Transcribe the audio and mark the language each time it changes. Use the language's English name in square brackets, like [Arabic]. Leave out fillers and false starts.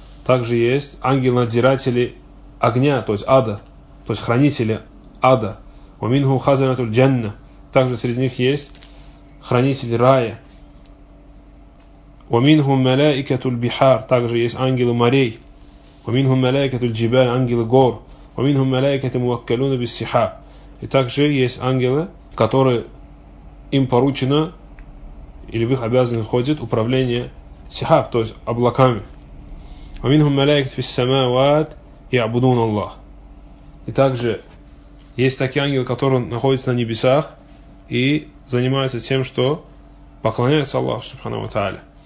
[Russian] Также есть ангел-надзиратели огня, то есть ада, то есть хранители ада. [Arabic] Уминхум хазанату джанна. [Russian] Также среди них есть хранители рая. [Arabic] Уминхум малаикатул бихар. [Russian] Также есть ангелы морей. [Arabic] وَمِنْهُمْ مَلَائِكَةُ الْجِبَالِ [Russian] ангелы гор. [Arabic] وَمِنْهُمْ مَلَائِكَةُ مُوَكَّلُونَ بِالسِّحَى. [Russian] И также есть ангелы, которые им поручено или в их обязанность входит управление сиха, то есть облаками. [Arabic] وَمِنْهُمْ مَلَائِكَةُ فِي السَّمَاوَاتِ يَعْبُدُونَ اللَّهَ. [Russian] И также есть такие ангелы, которые находятся на небесах и занимаются тем, что поклоняются Аллаху субхана ва тааля.